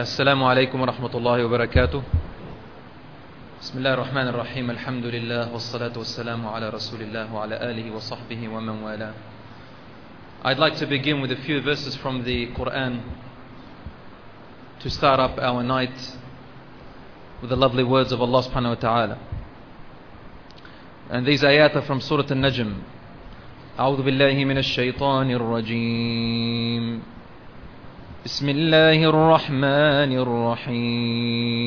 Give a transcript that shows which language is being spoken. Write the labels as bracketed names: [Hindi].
[Arabic] السلام عليكم ورحمة الله وبركاته. بسم الله الرحمن الرحيم. الحمد لله والصلاة والسلام على رسول الله وعلى آله وصحبه ومن والاه. [English] I'd like to begin with a few verses from the Quran to start up our night with the lovely words of Allah subhanahu wa ta'ala. And these ayat are from Surah Al-Najm. [Arabic] أعوذ بالله من الشيطان الرجيم. بسم الله الرحمن الرحيم.